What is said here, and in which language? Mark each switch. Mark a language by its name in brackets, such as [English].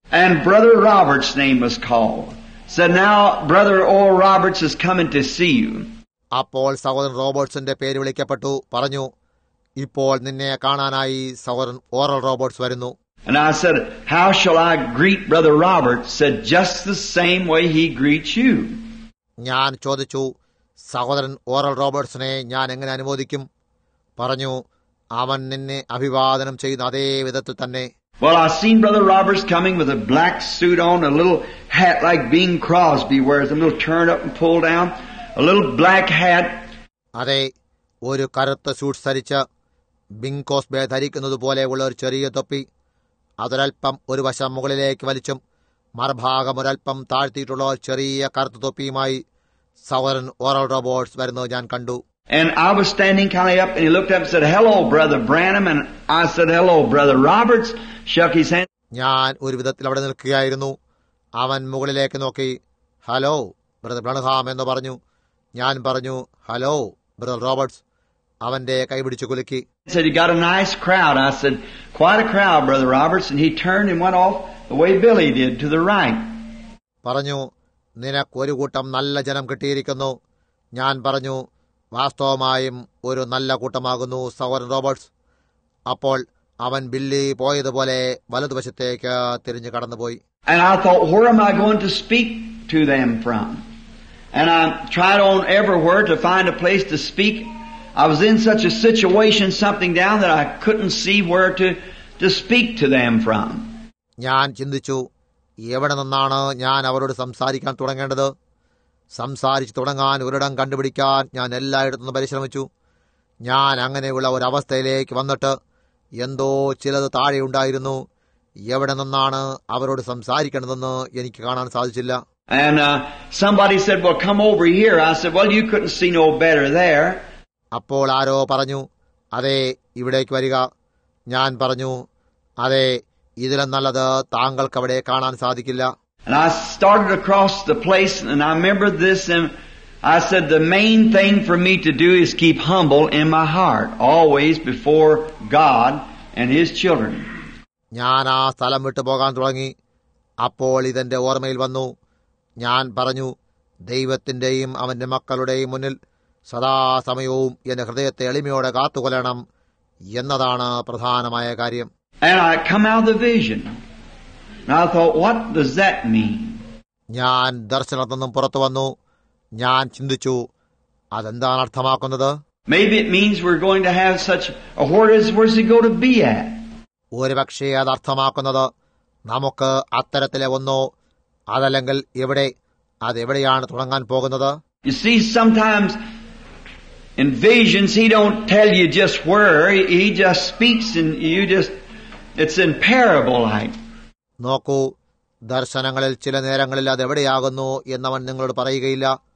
[English] And brother Roberts' name was called. So now brother Oral Roberts is coming to see you. [Malayalam] അപ്പോൾ സഹോദരൻ റോബർട്സിന്റെ പേര് വിളിക്കപ്പെട്ടു. പറഞ്ഞു, ഇപ്പോൾ നിന്നെ കാണാനായി സഹോദരൻ ഓറൽ റോബർട്സ് വരുന്നു. [English] And I said, how shall I greet brother Roberts? Said, just the same way he greets you. [Malayalam] ഞാൻ ചോദിച്ചു, സഹോദരൻ ഓറൽ റോബർട്സിനെ ഞാൻ എങ്ങനെ അനുമോദിക്കും? പറഞ്ഞു, അവൻ നിന്നെ അഭിവാദനം ചെയ്യുന്ന അതേ വിധത്തിൽ തന്നെ. [English] Well, I seen brother Roberts coming with a black suit on, a little hat like Bing Crosby wears, a little turned up and pulled down, a little black hat. [Malayalam] അതെ, ഒരു കറുത്ത സ്യൂട്ട് ധരിച്ച ബിങ് കോസ്ബി ധരിക്കുന്നത് പോലെയുള്ള ഒരു ചെറിയ തൊപ്പി. അതൊരൽപ്പം ഒരു വശം മുകളിലേക്ക് വലിച്ചും മറുഭാഗം ഒരൽപ്പം താഴ്ത്തിയിട്ടുള്ള ചെറിയ കറുത്ത തൊപ്പിയുമായി സഹോദരൻ ഓറൽ റോബർട്സ് വരുന്നത് ഞാൻ കണ്ടു. [English] And I was standing kind of up and he looked up and said, hello, brother Branham. And I said, hello, brother Roberts. Shook his hand. [Malayalam] ഞാൻ ഒരു വിധത്തിൽ അവിടെ നിൽക്കുകയായിരുന്നു. അവൻ മുകളിലേക്ക് നോക്കി, [English] hello brother Branham [Malayalam] എന്ന് പറഞ്ഞു. ഞാൻ പറഞ്ഞു, [English] Hello brother Roberts. [Malayalam] അവന്റെ കൈപിടിച്ചു കുലുക്കി. [English] Said, you got a nice crowd. I said, quite a crowd, brother Roberts. And he turned and went off the way Billy did, to the right. [Malayalam] പറഞ്ഞു, നിനക്ക് ഒരു കൂട്ടം നല്ല ജനം കിട്ടിയിരിക്കുന്നു. ഞാൻ പറഞ്ഞു, വാസ്തവമായും ഒരു നല്ല കൂട്ടമാകുന്നു സഹോദരൻ റോബർട്സ്. അപ്പോൾ അവൻ ബില്ലി പോയതുപോലെ വലതുവശത്തേക്ക് തിരിഞ്ഞു കടന്നുപോയി. [English] And I thought, where am I going to speak to them from? And I tried on everywhere to find a place to speak. I was in such a situation, something down, that I couldn't see where to speak to them from. [Malayalam] ഞാൻ ചിന്തിച്ചു, എവിടെ നിന്നാണ് ഞാൻ അവരോട് സംസാരിക്കാൻ തുടങ്ങേണ്ടത്. സംസാരിച്ചു തുടങ്ങാൻ ഒരിടം കണ്ടുപിടിക്കാൻ ഞാൻ എല്ലായിടത്തുനിന്നും പരിശ്രമിച്ചു. ഞാൻ അങ്ങനെയുള്ള ഒരവസ്ഥയിലേക്ക് വന്നിട്ട് എന്തോ ചിലത് താഴെയുണ്ടായിരുന്നു. എവിടെ നിന്നാണ് അവരോട് സംസാരിക്കേണ്ടതെന്ന് എനിക്ക് കാണാൻ സാധിച്ചില്ല. [English] And somebody said, well, come over here. I said, well, you couldn't see no better there. [Malayalam] അപ്പോൾ ആരോ പറഞ്ഞു, അതെ ഇവിടേക്ക് വരിക. ഞാൻ പറഞ്ഞു, അതെ ഇതിലും നല്ലത് താങ്കൾക്ക് അവിടെ കാണാൻ സാധിക്കില്ല. [English] And I started across the place and I remembered this and I said, the main thing for me to do is keep humble in my heart, always before God and His children. [Malayalam] ഞാൻ ആ സ്ഥലം വിട്ടു പോകാൻ തുടങ്ങി. അപ്പോൾ ഇതെന്റെ ഓർമ്മയിൽ വന്നു. ഞാൻ പറഞ്ഞു, ദൈവത്തിന്റെയും അവന്റെ മക്കളുടെയും മുന്നിൽ സദാസമയവും എന്റെ ഹൃദയത്തെ എളിമയോടെ കാത്തുകൊള്ളണം എന്നതാണ് പ്രധാനമായ കാര്യം. [English] And I come out of the vision. And I thought, what does that mean? [Malayalam] ഞാൻ ദർശനത്തിൽ നിന്നും പുറത്തു വന്നു. ഞാൻ ചിന്തിച്ചു, അതെന്താണ് അർത്ഥമാക്കുന്നത്? [English] Maybe it means we're going to have such a horrors. Where's he going to be at? [Malayalam] ഒരുപക്ഷെ അത് അർത്ഥമാക്കുന്നത് നമുക്ക് അത്തരത്തിലെ ഒന്നോ അതല്ലെങ്കിൽ എവിടെ അതെവിടെയാണ് തുടങ്ങാൻ പോകുന്നത്. [English] You see, sometimes in visions he don't tell you just where, he just speaks and you just, it's in parable like. [Malayalam] നോക്കൂ, ദർശനങ്ങളിൽ ചില നേരങ്ങളിൽ അതെവിടെയാകുന്നു എന്നവൻ നിങ്ങളോട് പറയുകയില്ല.